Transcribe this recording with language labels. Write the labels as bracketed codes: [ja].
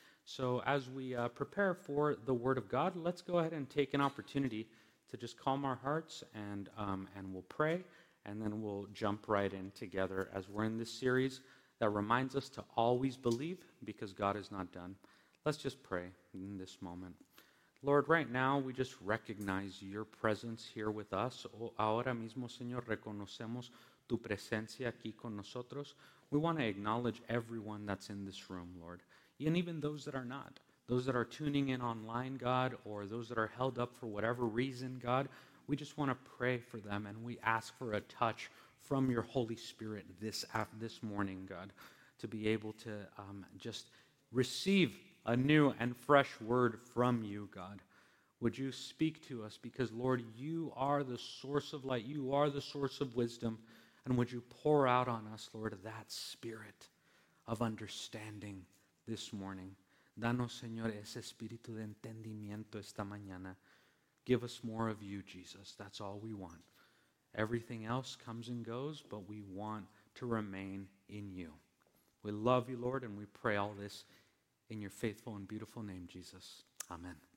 [en] So as we prepare for the Word of God, let's go ahead and take an opportunity to just calm our hearts and we'll pray, and then we'll jump right in together as we're in this series that reminds us to always believe because God is not done. Let's just pray in this moment. Lord, right now we just recognize your presence here with us. [es] Ahora mismo, Señor, reconocemos tu presencia aquí con nosotros. [en] We want to acknowledge everyone that's in this room, Lord, and even those that are not, those that are tuning in online, God, or those that are held up for whatever reason, God. We just want to pray for them, and we ask for a touch from your Holy Spirit this morning, God, to be able to just receive a new and fresh word from you, God. Would you speak to us? Because, Lord, you are the source of light. You are the source of wisdom. And would you pour out on us, Lord, that spirit of understanding this morning? [es] Danos, Señor, ese espíritu de entendimiento esta mañana. [en] Give us more of you, Jesus. That's all we want. Everything else comes and goes, but we want to remain in you. We love you, Lord, and we pray all this in your faithful and beautiful name, Jesus. Amen.